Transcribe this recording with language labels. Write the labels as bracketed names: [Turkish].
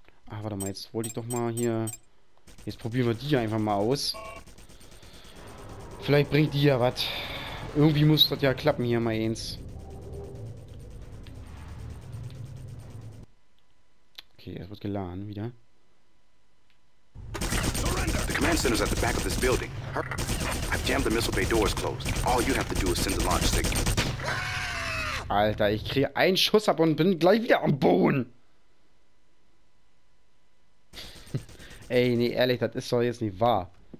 [German] Ach, warte mal, jetzt wollte ich doch mal hier... Jetzt probieren wir die einfach mal aus. Vielleicht bringt die ja was. Irgendwie muss das ja klappen hier mal eins. Okay, es wird geladen wieder. [English] Center's at the back of this building. I've jammed the missile bay doors closed. All you have to do is send the launch signal. [German] Alter, ich kriege einen Schuss ab und bin gleich wieder am Boden. Ey, nee, ehrlich, das ist doch jetzt nicht wahr.